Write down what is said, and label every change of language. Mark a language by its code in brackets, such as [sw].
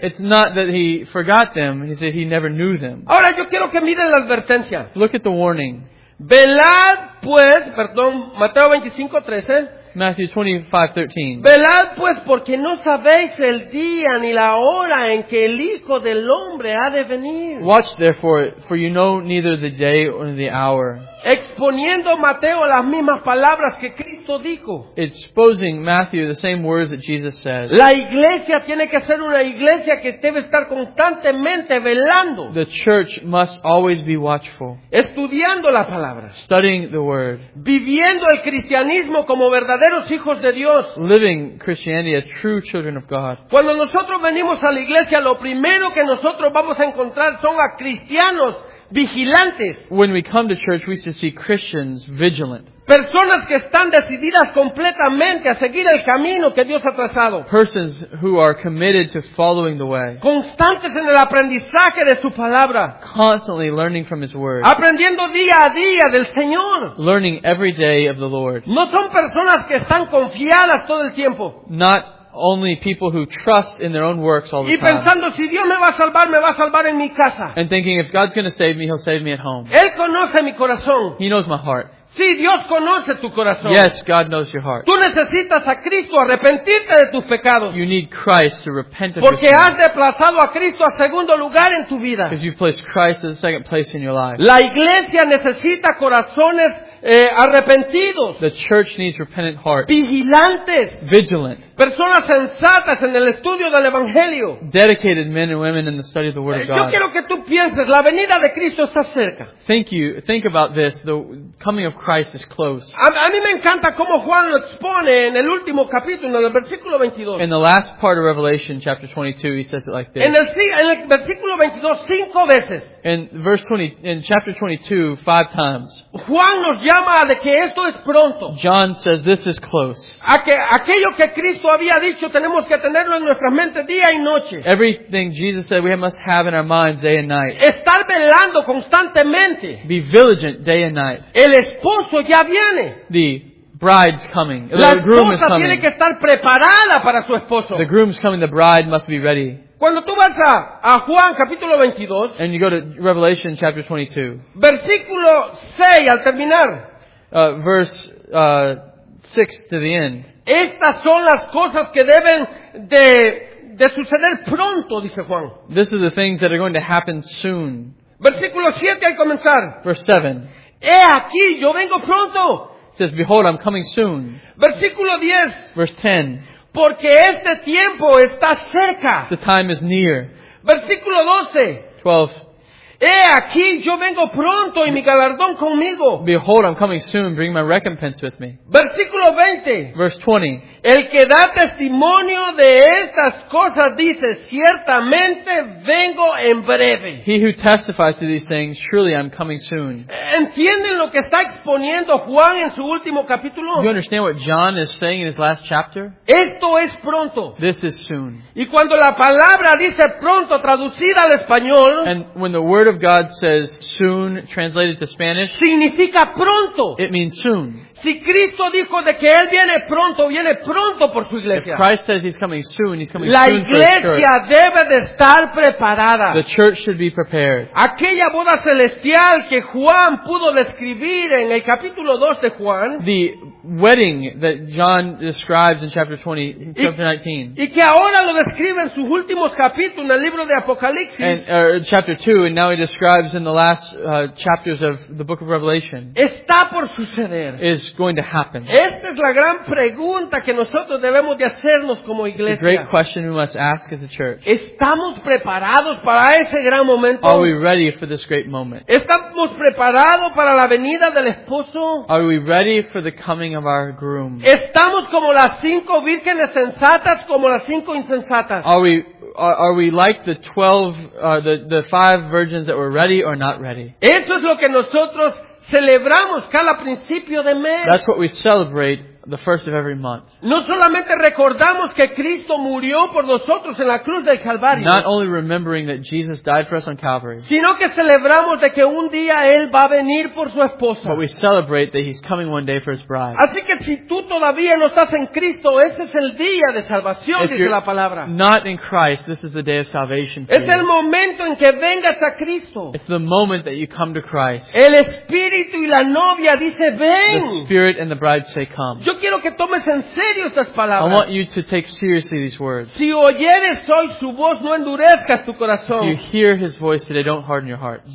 [en] It's not that he forgot them. He said he never knew them. [es] Ahora yo quiero que miren la advertencia. [en] Look at the warning. [es] Velad pues, perdón, Mateo 25:13. [en] Matthew 25:13. [es] Velad pues, porque no sabéis el día ni la hora en que el Hijo del Hombre ha de venir. [en] Watch therefore, for you know neither the day nor the hour. [es] Exponiendo Mateo las mismas palabras que Cristo dijo. [en] Exposing Matthew the same words that Jesus said. [es] La iglesia tiene que ser una iglesia que debe estar constantemente velando. [en] The church must always be watchful. [es] Estudiando la palabra. [en] Studying the word. [es] Viviendo el cristianismo como verdaderos hijos de Dios. [en] Living Christianity as true children of God. [es] Cuando nosotros venimos a la iglesia, lo primero que nosotros vamos a encontrar son a cristianos vigilantes. [en] When we come to church, we should see Christians vigilant. [es] Personas que están decididas completamente a seguir el camino que Dios ha trazado. [en] Persons who are committed to following the way. [es] Constantes en el aprendizaje de su palabra. [en] Constantly learning from His word. [es] Aprendiendo día a día del Señor. [en] Learning every day of the Lord. [es] No son personas que están confiadas todo el tiempo. [en] Not only people who trust in their own works all the time. [es] Y pensando, si Dios me va a salvar, me va a salvar en mi casa. [en] And thinking, if God's going to save me, He'll save me at home. [es] Él conoce mi corazón. [en] He knows my heart. [es] Sí, Dios conoce tu corazón. [en] Yes, God knows your heart. [es] Tú necesitas a Cristo, arrepentirte de tus pecados. [en] You need Christ to repent of [es] porque [en] your [es] has desplazado a Cristo a segundo lugar en tu vida. [en] Because you've placed Christ in the second place in your life. [es] La iglesia necesita corazones arrepentidos. [en] The church needs repentant hearts. [es] Vigilantes. [en] Vigilant. [es] Personas sensatas en el estudio del evangelio. [en] Dedicated men and women in the study of the word of God. [es] Yo quiero que tú pienses, la venida de Cristo está cerca. [en] Think about this, the coming of Christ is close. [es] A mí me encanta cómo Juan lo expone en el último capítulo, en el versículo 22. [en] In the last part of Revelation chapter 22, he says it like this. [es] En el versículo 22, cinco veces. [en] In chapter 22, five times. [es] Juan nos llama a de que esto es pronto. [en] John says this is close. [es] A que aquello que Cristo había dicho tenemos que tenerlo en nuestra mente día y noche. [en] Everything Jesus said we must have in our minds day and night. [es] Estar velando constantemente. [en] Be vigilant day and night. [es] El esposo ya viene. [en] The bride's coming. The groom is coming. [es] La esposa tiene que estar preparada para su esposo. [en] The groom's coming. The bride must be ready. [es] Cuando tú vas a Juan capítulo 22, [en] and you go to Revelation chapter 22, [es] versículo 6 al terminar, [en] verse 6 to the end. [es] Estas son las cosas que deben de suceder pronto, dice Juan. [en] This is the things that are going to happen soon. [es] Versículo 7 al comenzar. [en] Verse 7. [es] He aquí, yo vengo pronto. [en] It says, behold, I'm coming soon. [es] Versículo 10. [en] Verse 10. [es] Porque este tiempo está cerca. [en] The time is near. [es] Versículo 12. [en] 12. [es] He aquí, yo vengo pronto y mi galardón conmigo. [en] Behold, I'm coming soon. Bring my recompense with me. [es] Versículo 20. [en] Verse 20. [es] El que da testimonio de estas cosas dice, ciertamente vengo en breve. [en] He who testifies to these things, surely I'm coming soon. [es] ¿Entienden lo que está exponiendo Juan en su último capítulo? [en] You understand what John is saying in his last chapter? [es] Esto es pronto. [en] This is soon. [es] Y cuando la palabra dice pronto, traducida al español, [en] and when the word of God says soon, translated to Spanish, [es] significa pronto. [en] It means soon. [es] Si Cristo dijo de que Él viene pronto por su iglesia. [en] If Christ says He's coming soon, He's coming [es] la [en] soon [es] iglesia [en] for His church. [es] Debe de estar preparada. [en] The church should be prepared. [es] Aquella boda celestial que Juan pudo describir en el capítulo 2 de Juan. [en] The wedding that John describes in chapter 20, chapter 19. [es] Y que ahora lo describe en sus últimos capítulos en el libro de Apocalipsis. [en] Chapter 2, and now he describes in the last chapters of the book of Revelation. [es] Está por suceder. [en] Is going to happen. [es] Esta es la gran pregunta que nosotros debemos de hacernos como iglesia. [en] It's a great question we must ask as a church. [es] ¿Estamos preparados para ese gran momento? [en] Are we ready for this great moment? [es] ¿Estamos preparados para la venida del esposo? [en] Are we ready for the coming of our groom? [es] ¿Estamos como las cinco vírgenes sensatas, como las cinco insensatas? [en] Are we like the 12, the five virgins that were ready or not ready? [es] Eso es lo que nosotros celebramos cada principio de mes. [en] That's what we celebrate the first of every month. [es] No solamente recordamos que Cristo murió por nosotros en la cruz del Calvario. [en] Not only remembering that Jesus died for us on Calvary. [es] Sino que celebramos de que un día Él va a venir por su esposa. [en] But we celebrate that He's coming one day for His bride. [es] Así que si tú todavía no estás en Cristo, este es el día de salvación, [en] if [es] dice la palabra. [en] Not in Christ, this is the day of salvation for [es] es [en] you. [es] El momento en que vengas a Cristo. [en] It's the moment that you come to Christ. [es] El Espíritu y la novia dice ven. [en] The Spirit and the bride say come. [es] Yo quiero que tomes en serio estas palabras. [en] I want you to take seriously these words. [es] Si oyeres hoy su voz, no endurezcas tu corazón. [en] If you hear His voice today, don't harden your heart.